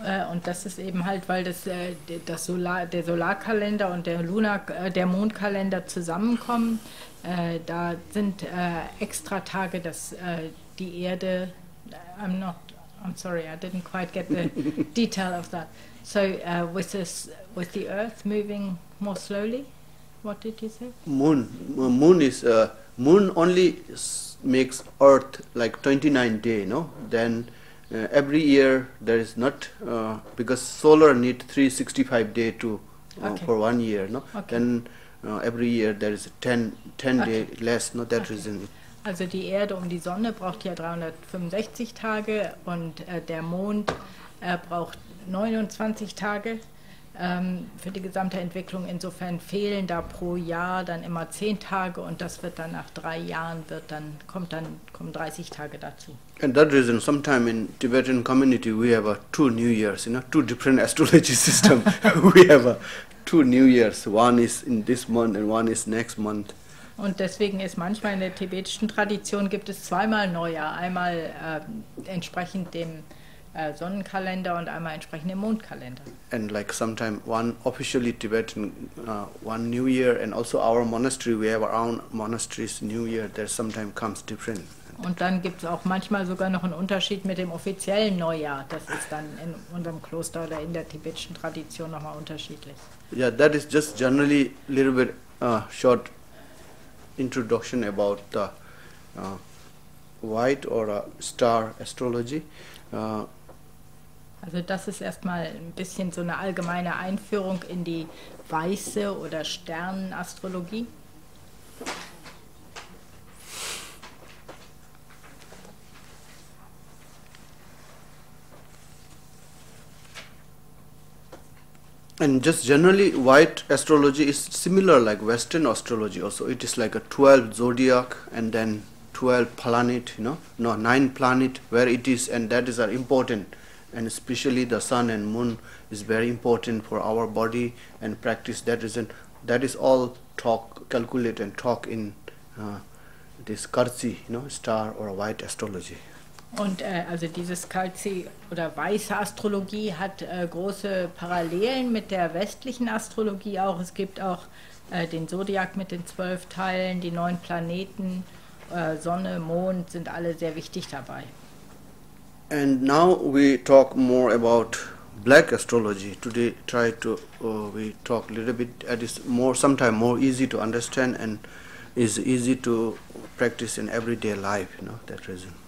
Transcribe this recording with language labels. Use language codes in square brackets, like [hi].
[de] Und das ist eben halt, weil der Solarkalender und der Mondkalender zusammenkommen. Da sind extra Tage, dass die Erde. [en] I'm sorry, I didn't quite get the detail of that. So with the Earth moving more slowly, what did you say? Moon only makes Earth like 29 day, no? Then every year there is not because solar need 365 day to okay. For 1 year, no? Okay. Then every year there is 10 day okay. Less, no? That okay. Reason. [de] Also die Erde um die Sonne braucht ja 365 Tage und der Mond braucht 29 Tage für die gesamte Entwicklung. Insofern fehlen da pro Jahr dann immer 10 Tage und das wird dann nach drei Jahren kommen 30 Tage dazu. [en] And that reason, sometime in Tibetan community we have two New Years, you know, two different astrology system. We have two New Years. One is in this month and one is next month. [de] Und deswegen ist manchmal in der tibetischen Tradition gibt es zweimal Neujahr, einmal entsprechend dem Sonnenkalender und einmal entsprechend dem Mondkalender. [en] And like sometime one officially Tibetan one New Year and also our monastery we have our own monastery's New Year that sometimes comes different. [de] Und dann gibt es auch manchmal sogar noch einen Unterschied mit dem offiziellen Neujahr. Das ist dann in unserem Kloster oder in der tibetischen Tradition nochmal unterschiedlich. [en] Yeah, that is just generally a little bit short introduction about the white or star astrology. [de] Also das ist erstmal ein bisschen so eine allgemeine Einführung in die weiße oder Sternenastrologie. [en] And just generally, white astrology is similar like Western astrology also. It is like a 12 zodiac and then 12 planet, you know, no, 9 planet where it is, and that is important. And especially the sun and moon is very important for our body and practice. That is all talk, calculate and talk in this Kalzi, you know, star or white astrology. [de] Und also dieses Kalzi oder weiße Astrologie hat große Parallelen mit der westlichen Astrologie auch. Es gibt auch den Zodiac mit den 12 Teilen, die 9 Planeten, Sonne, Mond sind alle sehr wichtig dabei. [en] And now we talk more about black astrology. Today try to we talk a little bit at this more sometime more easy to understand and is easy to practice in everyday life, you know, that reason.